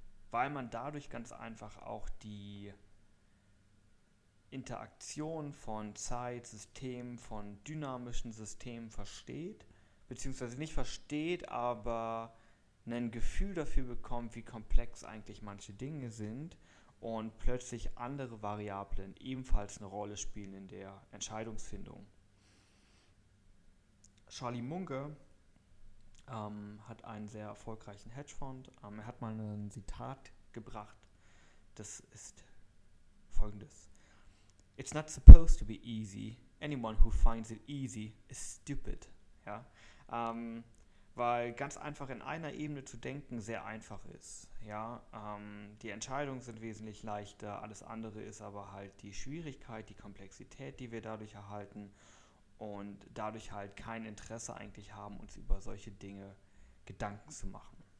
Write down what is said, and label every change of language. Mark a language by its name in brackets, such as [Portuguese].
[German] weil man dadurch ganz einfach auch die Interaktion von Zeitsystemen, von dynamischen Systemen versteht, beziehungsweise nicht versteht, aber ein Gefühl dafür bekommt, wie komplex eigentlich manche Dinge sind und plötzlich andere Variablen ebenfalls eine Rolle spielen in der Entscheidungsfindung. Charlie Munger hat einen sehr erfolgreichen Hedgefonds. Er hat mal ein Zitat gebracht, das ist folgendes. [English] It's not supposed to be easy. Anyone who finds it easy is stupid. [German] Ja? Weil ganz einfach in einer Ebene zu denken sehr einfach ist. Ja? Die Entscheidungen sind wesentlich leichter, alles andere ist aber halt die Schwierigkeit, die Komplexität, die wir dadurch erhalten und dadurch halt kein Interesse eigentlich haben, uns über solche Dinge Gedanken zu machen.